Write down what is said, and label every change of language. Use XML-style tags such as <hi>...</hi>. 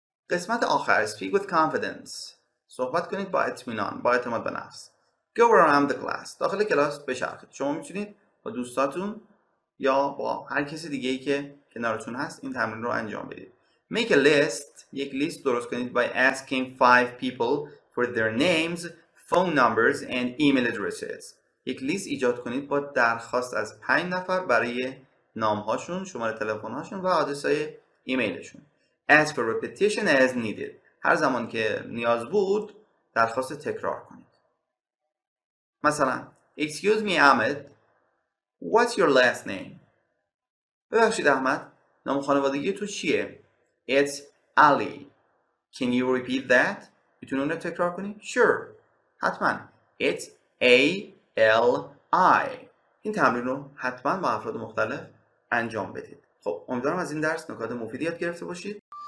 <fa>قسمت آخر</fa> <en>speak with confidence.</en> <fa>صحبت کنید با اطمینان، با اعتماد به نفس.</fa> <en>Go around the class.</en> <fa>داخل کلاس بچرخید. شما میتونید با دوستاتون یا با هر کسی دیگه‌ای که کنارتون هست این تمرین رو انجام بدید.</fa> <en>Make a list.</en> <fa>یک لیست درست کنید</fa> <en>by asking 5 people for their names, phone numbers and email addresses.</en> <fa>یک لیست ایجاد کنید با درخواست از 5 نفر برای نام‌هاشون، شماره تلفن‌هاشون و آدرس‌های ایمیلشون.</fa> <en>As for repetition as needed.</en> <fa>هر زمان که نیاز بود درخواست تکرار کنید. مثلا</fa> <en>Excuse me Ahmed, what's your last name?</en> <fa>ببخشید احمد، نام خانوادگی تو چیه؟</fa> <en>It's Ali. Can you repeat that?</en> <fa>میتونی اون رو تکرار کنی؟</fa> <en>Sure.</en> <fa>حتما.</fa> <en>It's A-L-I.</en> <fa>این تمرین رو حتما با افراد مختلف انجام بدید. خب امیدوارم از این درس نکات مفیدی یاد گرفته باشید.</fa>